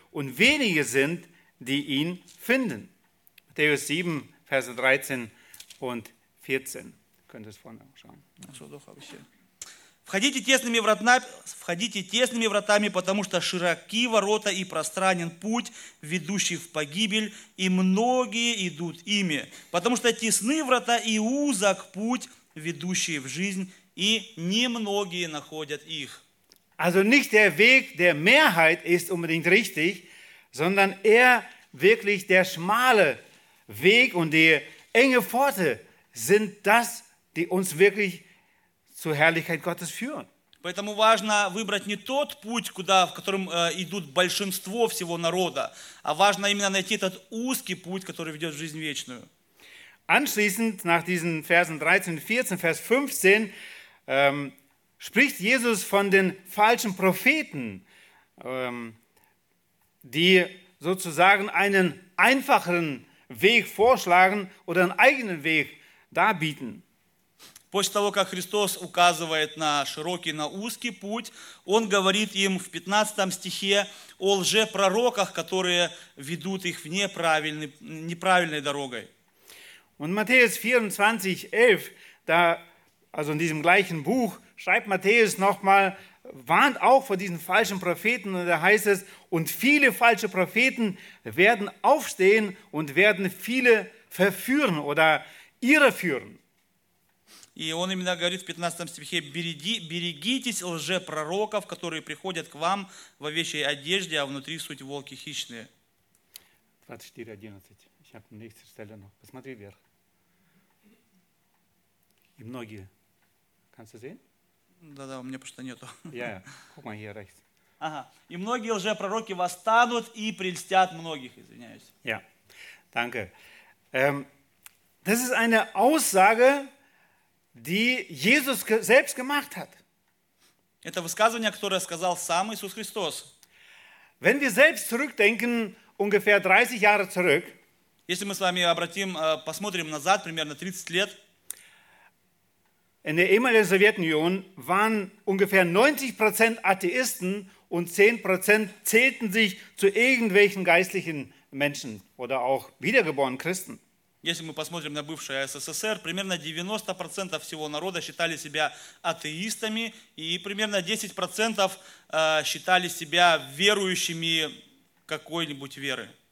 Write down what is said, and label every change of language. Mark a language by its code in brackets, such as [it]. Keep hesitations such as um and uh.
[de] Und wenige sind, die ihn finden. Matthäus 7, Verse 13 und 14. Ihr könnt ihr es vorne auch schauen? Ach so, doch, habe ich hier. [ru] Входите тесными, вратна, входите тесными вратами, потому что широки ворота и пространен путь, ведущий в погибель, и многие идут ими. Потому что тесны врата и узок путь, ведущий в жизнь, и немногие находят их. [de] Also nicht der Weg der Mehrheit ist unbedingt richtig, sondern eher wirklich der schmale Weg und die enge Pforte sind das, die uns wirklich zur Herrlichkeit Gottes führen. [ru] Поэтому важно выбрать не тот путь, куда, в котором э, идут большинство всего народа, а важно именно найти этот узкий путь, который ведет в жизнь вечную. [de] Anschließend, nach diesen Versen 13 und 14, Vers 15, ähm, spricht Jesus von den falschen Propheten, ähm, die sozusagen einen einfacheren Weg vorschlagen oder einen eigenen Weg darbieten. [ru] После того, как Христос указывает на широкий, на узкий путь, Он говорит им в 15 стихе о лжепророках, которые ведут их в неправильный, неправильной дорогой. [de] Und Matthäus 24, 11, da, also in diesem gleichen Buch, schreibt Matthäus nochmal, warnt auch vor diesen falschen Propheten, und da heißt es, und viele falsche Propheten werden aufstehen und werden viele verführen oder irreführen. [ru] И он именно говорит в 15 стихе, Береги, берегитесь лжепророков, которые приходят к вам в овечьей одежде, а внутри суть волки хищные. 24.11. Посмотри вверх. И многие. Конце Да-да, у меня просто нету. Я. Yeah, yeah. Ага. И многие пророки восстанут и прельстят многих, извиняюсь. Ja, Yeah. Danke. [de] Um, das ist eine Aussage, die Jesus selbst gemacht hat. [ru] Это высказывание, которое сказал сам Иисус Христос. [de] Wenn wir selbst zurückdenken, ungefähr 30 Jahre zurück, [ru] если мы с вами обратим, посмотрим назад, примерно 30 лет, [de] in der ehemaligen Sowjetunion waren ungefähr 90% Atheisten und 10% zählten sich zu irgendwelchen geistlichen Menschen oder auch wiedergeborenen Christen. [ru] Если мы посмотрим на бывшее СССР, примерно 90% всего народа считали себя атеистами и примерно 10% считали себя верующими какой-нибудь веры.